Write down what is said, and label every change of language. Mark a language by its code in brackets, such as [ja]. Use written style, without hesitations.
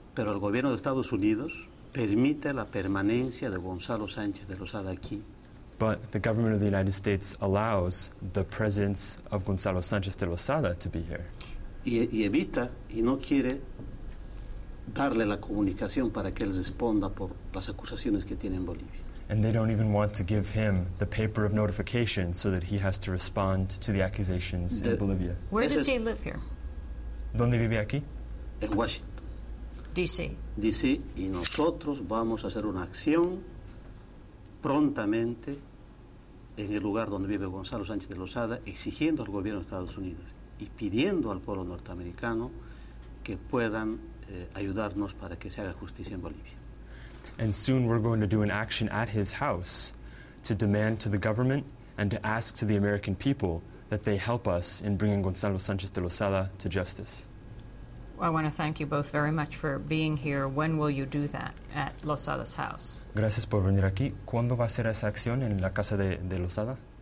[es] Pero el gobierno de Estados Unidos permite la permanencia de Gonzalo Sánchez de Lozada aquí. [en] But the government of the United States allows the presence of Gonzalo Sánchez de Lozada to be here. [es] Y evita y no quiere darle la comunicación para que él responda por las acusaciones que tiene en Bolivia. [en] And they don't even want to give him the paper of notification so that he has to respond to the accusations in Bolivia. Where does he live here? [es] ¿Dónde vive aquí? En Washington. D.C. D.C. Y nosotros vamos a hacer una acción prontamente en el lugar donde vive Gonzalo Sánchez de Lozada, exigiendo al gobierno de Estados Unidos y pidiendo al pueblo norteamericano que puedan ayudarnos para que se haga justicia en Bolivia. [en] And soon we're going to do an action at his house to demand to the government and to ask to the American people that they help us in bringing Gonzalo Sánchez de Lozada to justice. I want to thank you both very much for being here. When will you do that at Losada's house? [es] Gracias por venir aquí. ¿Cuándo va a ser esa acción en la casa de Losada?